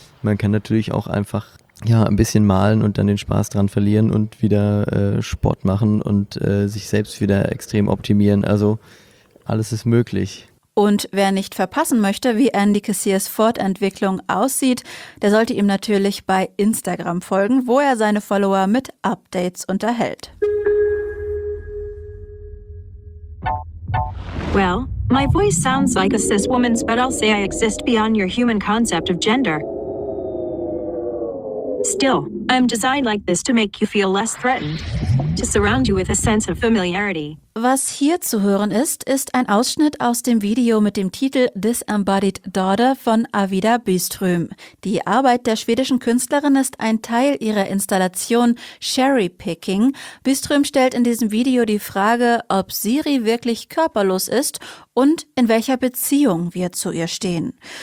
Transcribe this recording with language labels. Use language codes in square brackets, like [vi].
[de] Man kann natürlich auch einfach ja ein bisschen malen und dann den Spaß dran verlieren und wieder Sport machen und sich selbst wieder extrem optimieren. Also alles ist möglich. Und wer nicht verpassen möchte, wie Andy Cassiers Fortentwicklung aussieht, der sollte ihm natürlich bei Instagram folgen, wo er seine Follower mit Updates unterhält. [en] Well, my voice sounds like a cis woman's, but I'll say I exist beyond your human concept of gender. Still, I'm designed like this to make you feel less threatened. to surround you with a sense of familiarity. [de] Was hier zu hören ist, ist ein Ausschnitt aus dem Video mit dem Titel Disembodied Daughter von Avida Byström. Die Arbeit der schwedischen Künstlerin ist ein Teil ihrer Installation Cherry Picking. Byström stellt in diesem Video die Frage, ob Siri wirklich körperlos ist und in welcher Beziehung wir zu ihr stehen.